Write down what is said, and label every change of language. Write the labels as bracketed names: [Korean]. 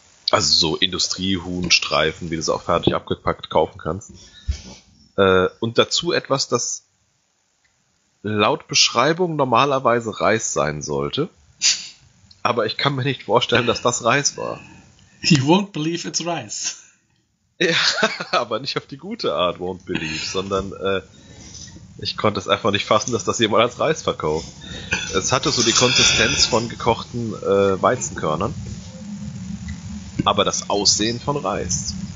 [German] Also so Industriehuhnstreifen, wie du es auch fertig abgepackt kaufen kannst. Und dazu etwas, das laut Beschreibung normalerweise Reis sein sollte. Aber ich kann mir nicht vorstellen, dass das Reis war. [English] He won't believe it's rice. [German] Ja, aber nicht auf die gute Art [English] won't believe, [German] sondern ich konnte es einfach nicht fassen, dass das jemand als Reis verkauft. Es hatte so die Konsistenz von gekochten Weizenkörnern. Aber das Aussehen von Reis.